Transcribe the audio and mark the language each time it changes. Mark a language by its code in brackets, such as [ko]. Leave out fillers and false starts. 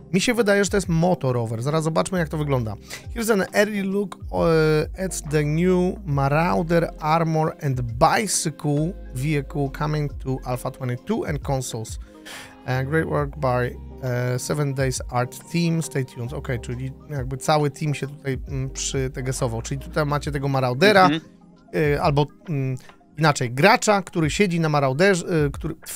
[pl] Mi się wydaje, że to jest motorower. Zaraz zobaczmy, jak to wygląda. [en] Here's an early look at the new Marauder Armor and Bicycle Vehicle coming to Alpha 22 and consoles. Great work by 7 Days Art Team. Stay tuned. [pl] Ok, czyli jakby cały team się tutaj przytegesował. Czyli tutaj macie tego Maraudera, albo... inaczej, gracza, który siedzi na marauderze, który...